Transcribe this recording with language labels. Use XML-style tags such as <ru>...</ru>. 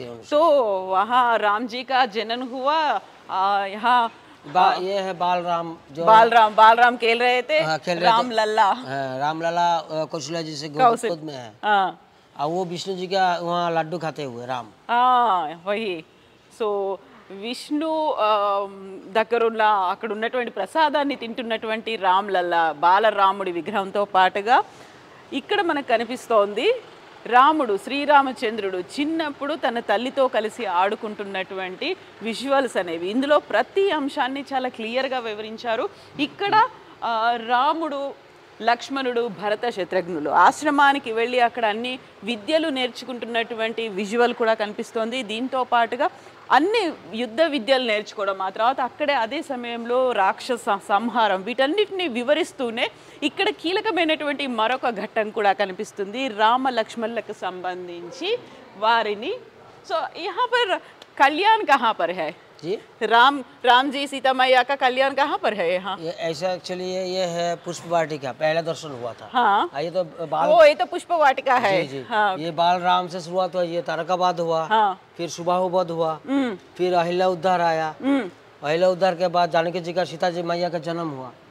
<hi>तो वहाँ राम जी का जनन हुआ. यहाँ ये है बालराम, जो बालराम खेल रहे थे. हाँ, खेल राम लल्ला कौशल्या जी से गोकुल में है. हाँ. और वो विष्णु जी का वहाँ लड्डू खाते हुए राम. हाँ, वही. सो</hi> <te>విష్ణు దగ్గరున్న అక్కడ ఉన్నటువంటి ప్రసాదాన్ని తింటున్నటువంటి రామలల్ల బాలరాముడి విగ్రహంతో పాటుగా ఇక్కడ మనకు కనిపిస్తోంది రాముడు శ్రీరామచంద్రుడు చిన్నప్పుడు తన తల్లితో కలిసి ఆడుకుంటున్నటువంటి విజువల్స్ అనేవి ఇందులో ప్రతి అంశాన్ని చాలా క్లియర్ గా వివరించారు ఇక్కడ రాముడు లక్ష్మణుడు భరత శత్రుఘ్నులు ఆశ్రమానికి వెళ్లి అక్కడ అన్ని విద్యలు నేర్చుకుంటున్నటువంటి విజువల్ కూడా కనిపిస్తోంది దీంతో పాటుగా అన్ని యుద్ధ విద్యలు నేర్చుకోవడం ఆ తర్వాత అక్కడే అదే సమయంలో రాక్షస సంహారం వీటన్నిటిని వివరిస్తూనే ఇక్కడ కీలకమైనటువంటి మరొక ఘట్టం కూడా కనిపిస్తుంది రామ లక్ష్మణులకు సంబంధించి వారిని so</te> <hi>యహా per Kalyan కహా per high जी राम राम जी सीता मैया का कल्याण कहाँ पर है यहाँ ये ऐसा एक्चुअली ये है पुष्प वाटिका पहला दर्शन हुआ था हाँ ये तो बाल वो ये तो पुष्प वाटिका है जी जी हाँ। ये बाल राम से शुरुआत हुआ ये तारकाबाद हुआ हाँ। फिर सुबाहु बध हुआ फिर अहिल्या उद्धार आया अहिल्या उद्धार के बाद जानकी जी का सीता जी मैया का जन्म हुआ</hi>